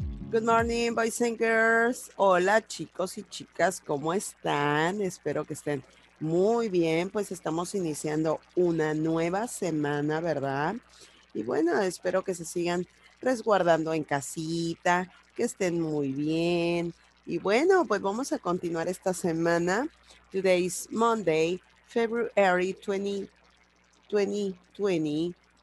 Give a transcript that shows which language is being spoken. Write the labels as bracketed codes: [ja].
[en] Good morning, boys and girls. [es] Hola, chicos y chicas, ¿cómo están? Espero que estén muy bien. Pues estamos iniciando una nueva semana, ¿verdad? Y bueno, espero que se sigan resguardando en casita, que estén muy bien. Y bueno, pues vamos a continuar esta semana. [en] Today is Monday, February 2021.